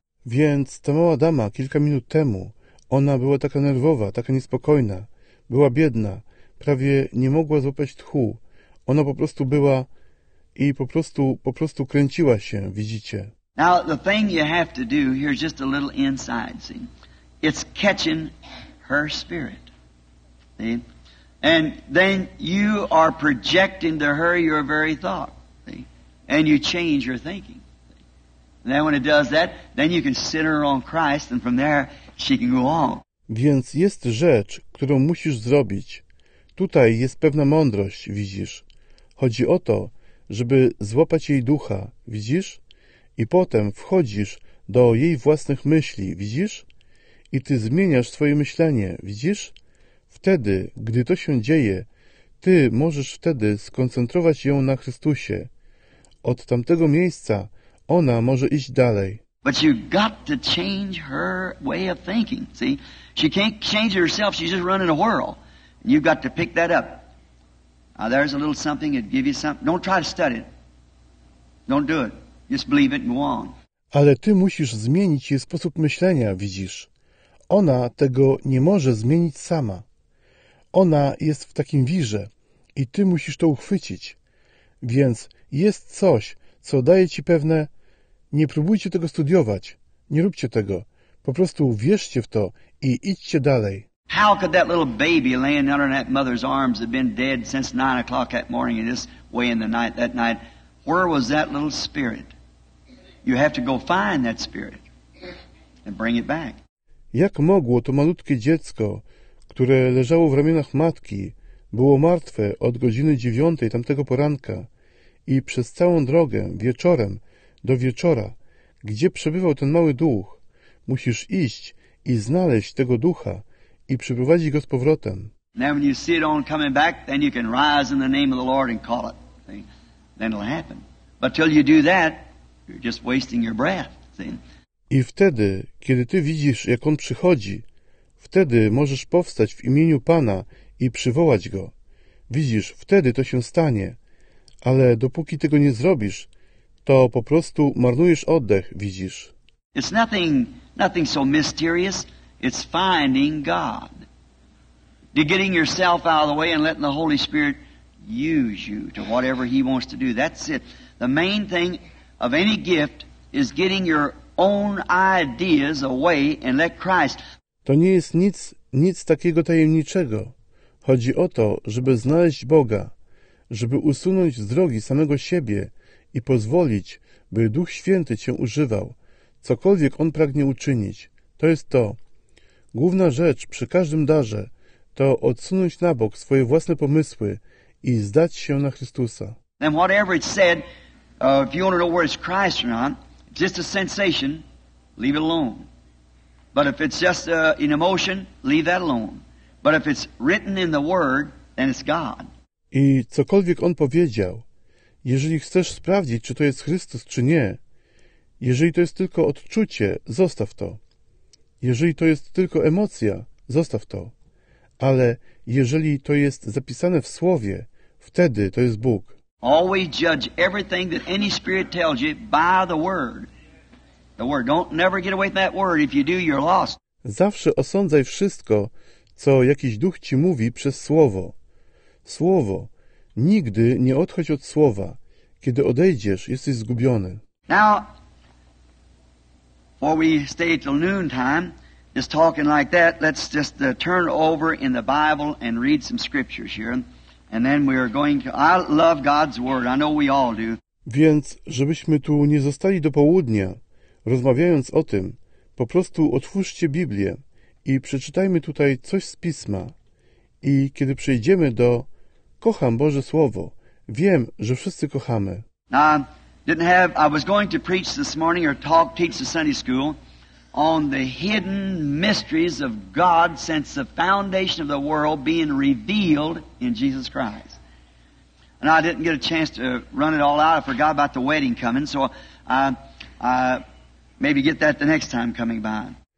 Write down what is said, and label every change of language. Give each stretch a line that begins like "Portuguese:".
Polish: Więc ta mała dama kilka minut temu, ona była taka nerwowa, taka niespokojna. Była biedna, prawie nie mogła złapać tchu. Ona po prostu była i po prostu kręciła się, widzicie.
English: Now, the thing you have to do here is just a little inside, see? It's catching her spirit, see? And then you are projecting to her your very thought, see? And you change your thinking. And then when it does that, then you can center her on Christ, and from there, she can go on.
Polish: Więc jest rzecz, którą musisz zrobić. Tutaj jest pewna mądrość, widzisz. Chodzi o to, żeby złapać jej ducha, widzisz? I potem wchodzisz do jej własnych myśli, widzisz? I ty zmieniasz swoje myślenie, widzisz? Wtedy, gdy to się dzieje, ty możesz wtedy skoncentrować ją na Chrystusie. Od tamtego miejsca ona może iść dalej.
English: But you got to change her way of thinking. See, she can't change herself. She's just running a whirl. You've got to pick that up. Now, there's a little something that give you something. Don't try to study it. Don't do it. Just believe it and go on.
Polish: Ale ty musisz zmienić jej sposób myślenia, widzisz. Ona tego nie może zmienić sama. Ona jest w takim wirze i ty musisz to uchwycić. Więc jest coś, co daje ci pewne... Nie próbujcie tego studiować. Nie róbcie tego. Po prostu wierzcie w to i idźcie dalej.
English: How could that little baby laying under that mother's arms have been dead since 9 o'clock that morning and this way in the night that night? Where was that little spirit? You have to go find that spirit and bring it back.
Polish: Jak mogło to malutkie dziecko, które leżało w ramionach matki, było martwe od godziny 9 tamtego poranka i przez całą drogę, wieczorem, do wieczora, gdzie przebywał ten mały duch? Musisz iść i znaleźć tego ducha i przyprowadzić go z powrotem.
English: Now when you see it on coming back, then you can rise in the name of the Lord and call it. See? Then it'll happen. But till you do that, you're just wasting your breath. See?
Polish: I wtedy, kiedy ty widzisz, jak on przychodzi, wtedy możesz powstać w imieniu Pana i przywołać go. Widzisz, wtedy to się stanie. Ale dopóki tego nie zrobisz, to po prostu marnujesz oddech, widzisz.
English: It's nothing so mysterious. It's finding God. You're getting yourself out of the way and letting the Holy Spirit use you to whatever He wants to do. That's it. The main thing of any gift is getting your own ideas away and let Christ.
Polish: To nie jest nic takiego tajemniczego. Chodzi o to, żeby znaleźć Boga, żeby usunąć z drogi samego siebie i pozwolić, by Duch Święty cię używał. Cokolwiek On pragnie uczynić, to jest to. Główna rzecz przy każdym darze to odsunąć na bok swoje własne pomysły i zdać się na Chrystusa.
English: And whatever it said, if you want to know where it's Christ or not, just a sensation, leave it alone. But if it's just an emotion, leave that alone. But if it's written in the Word, then it's God.
Polish: I cokolwiek On powiedział, jeżeli chcesz sprawdzić, czy to jest Chrystus, czy nie, jeżeli to jest tylko odczucie, zostaw to. Jeżeli to jest tylko emocja, zostaw to. Ale jeżeli to jest zapisane w Słowie, wtedy to jest Bóg.
English: Always judge everything that any spirit tells you by the Word. The Word. Don't never get away from that Word. If you do, you're lost.
Polish: Zawsze osądzaj wszystko, co jakiś duch ci mówi przez Słowo. Słowo. Nigdy nie odchodź od Słowa. Kiedy odejdziesz, jesteś zgubiony.
English: Now, before we stay till noontime, just talking like that, let's just turn over in the Bible and read some scriptures here. And then we are going to... I love God's Word. I know we all do.
Polish: Więc, żebyśmy tu nie zostali do południa, rozmawiając o tym, po prostu otwórzcie Biblię i przeczytajmy tutaj coś z Pisma. I kiedy przejdziemy do... Kocham Boże Słowo. Wiem, że wszyscy kochamy.
English: I was going to preach this morning or teach the Sunday school on the hidden mysteries of God since the foundation of the world being revealed in Jesus Christ. And I didn't get a chance to run it all out. I forgot about the wedding coming, so I maybe get that the next time coming by.